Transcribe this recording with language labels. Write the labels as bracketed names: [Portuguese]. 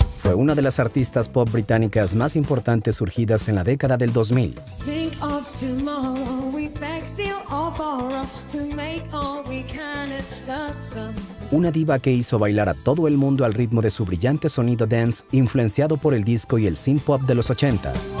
[Spanish] fue una de las artistas pop británicas más importantes surgidas en la década del 2000. [English] Think of tomorrow, we beg, steal or borrow, to make all we can at the sun. [Spanish] Una diva que hizo bailar a todo el mundo al ritmo de su brillante sonido dance, influenciado por el disco y el synth pop de los 80.